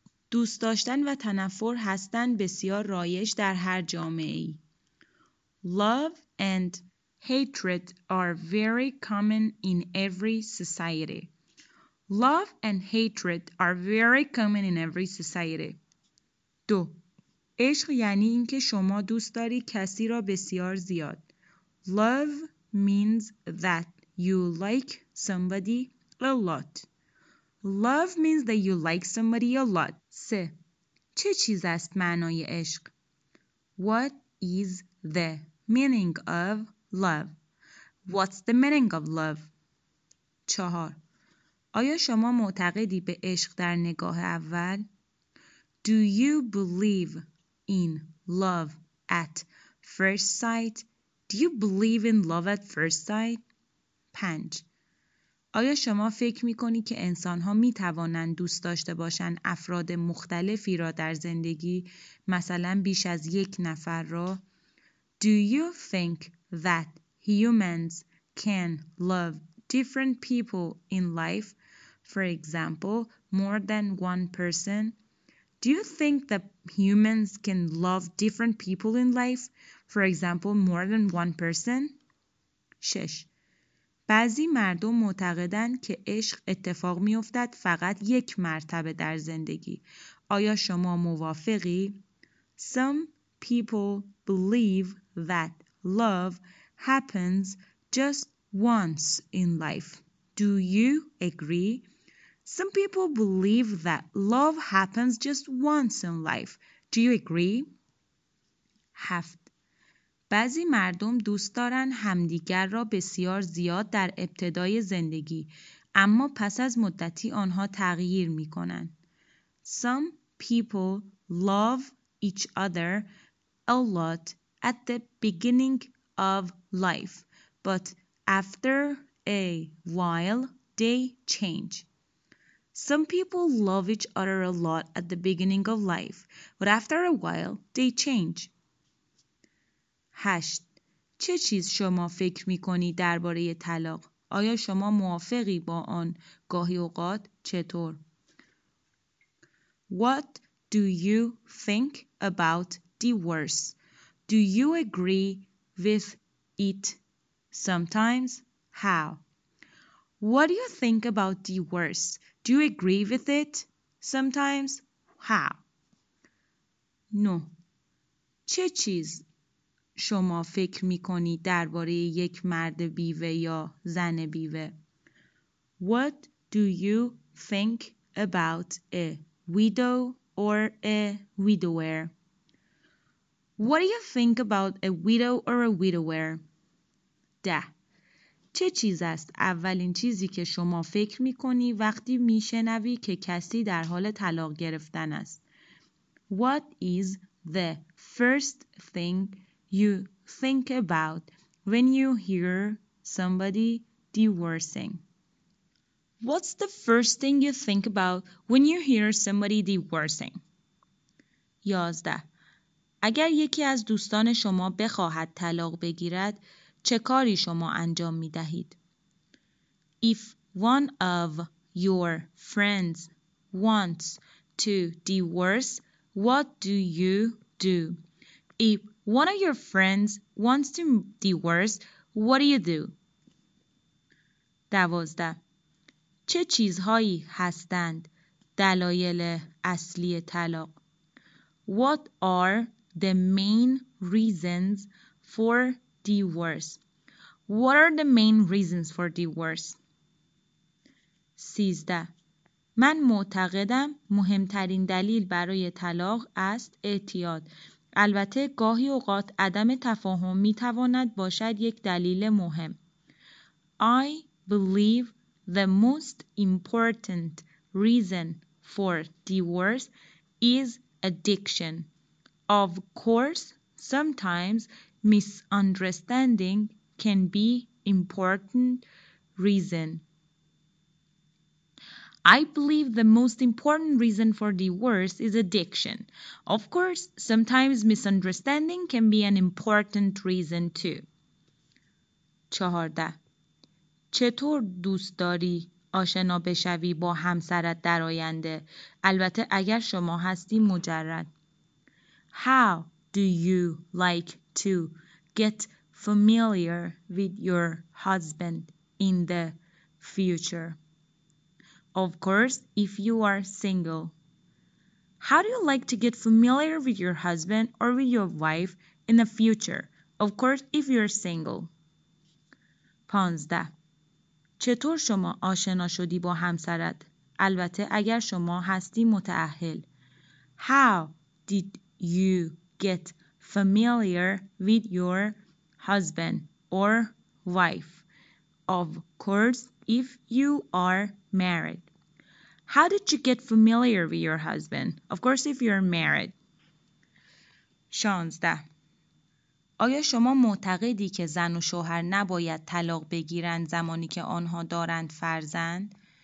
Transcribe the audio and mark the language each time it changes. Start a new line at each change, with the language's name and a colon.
Persian: دوست داشتن و تنفر هستند بسیار رایج در هر جامعه ای.
English: Love and hatred are very common in every society. Love and hatred are very common in every society. 2.
Persian: عشق یعنی اینکه شما دوست داری کسی را بسیار زیاد.
English: Love means that you like somebody a lot. Love means that you like somebody a lot. 3.
Persian: چه چیز است معنای عشق؟
English: What is the meaning of love? What's the meaning of love? 4.
Persian: آیا شما معتقدی به عشق در نگاه اول؟
English: Do you believe in love at first sight? Do you believe in love at first sight? 5.
Persian: آیا شما فکر می‌کنی که انسان‌ها می‌توانند دوست داشته باشند افراد مختلفی را در زندگی، مثلا بیش از یک نفر را؟
English: Do you think that humans can love different people in life? For example, more than one person? Do you think that humans can love different people in life? For example, more than one person? 6.
Persian: بعضی مردم معتقدند که عشق اتفاق می‌افتد فقط یک مرتبه در زندگی. آیا شما موافقی؟
English: Some people believe that love happens just once in life. Do you agree? Some people believe that love happens just once in life. Do you agree? 7.
Persian: بعضی مردم دوست دارن همدیگر را بسیار زیاد در ابتدای زندگی، اما پس از مدتی آنها تغییر می کنن.
English: Some people love each other a lot at the beginning of life, but after a while they change. Some people love each other a lot at the beginning of life, but after a while they change. 8.
Persian: چه چیز شما فکر می‌کنی درباره طلاق؟ آیا شما موافقی با آن گاهی اوقات چطور؟
English: What do you think about divorce? Do you agree with it sometimes? How? What do you think about divorce? Do you agree with it sometimes? How? 9.
Persian: چه چیز شما فکر می‌کنید درباره یک مرد بیوه یا زن بیوه؟
English: What do you think about a widow or a widower? What do you think about a widow or a widower?
Persian: 10. چه چیز است اولین چیزی که شما فکر می‌کنی وقتی می‌شنوی که کسی در حال طلاق گرفتن است؟
English: What is the first thing you think about when you hear somebody divorcing? What's the first thing you think about when you hear somebody divorcing? 11.
Persian: اگر یکی از دوستان شما بخواهد طلاق بگیرد، چه کاری شما انجام می دهید؟
English: If one of your friends wants to divorce, what do you do? If one of your friends wants to divorce, what do you do? 12.
Persian: چه چیزهایی هستند دلایل اصلی طلاق؟
English: What are the main reasons for divorce? What are the main reasons for divorce? 13.
Persian: من معتقدم مهمترین دلیل برای طلاق است اعتیاد. البته گاهی اوقات عدم تفاهم می تواند باشد یک دلیل مهم.
English: I believe the most important reason for divorce is addiction. Of course, sometimes misunderstanding can be important reason. I believe the most important reason for divorce is addiction. Of course, sometimes misunderstanding can be an important reason too. 14.
Persian: چطور دوست داری آشنا بشوی با همسرت در آینده؟ البته اگر شما هستی مجرد.
English: How do you like to get familiar with your husband in the future? Of course, if you are single. How do you like to get familiar with your husband or with your wife in the future? Of course, if you are single. 15.
Persian: چطور شما آشنا شدی با همسرت؟ البته اگر شما هستی متأهل.
English: How did you get familiar with your husband or wife? Of course, if you are married. How did you get familiar with your husband? Of course, if you're married. 16.
Persian: آیا شما معتقدی که زن و شوهر نباید طلاق بگیرند زمانی که آنها دارند فرزند؟